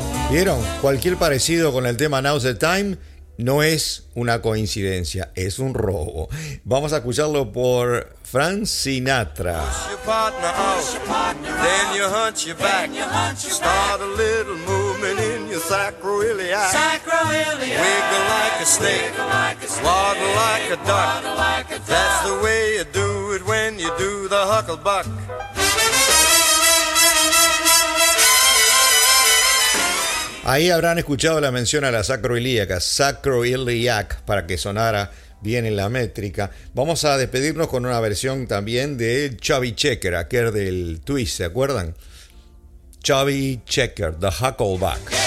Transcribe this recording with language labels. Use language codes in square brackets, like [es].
[es] ¿Vieron? Cualquier parecido con el tema Now's the Time no es una coincidencia, es un robo. Vamos a escucharlo por Frank Sinatra. [en] Push your partner out, then you hunch your back. Start a little movement in your sacroiliac. Wiggle like a snake, waddle like a duck. That's the way you do it when you do the Hucklebuck. [es] Ahí habrán escuchado la mención a la sacroiliaca, sacroiliac, para que sonara bien en la métrica. Vamos a despedirnos con una versión también de Chubby Checker, aquel del Twist, ¿se acuerdan? Chubby Checker, The Huckleback.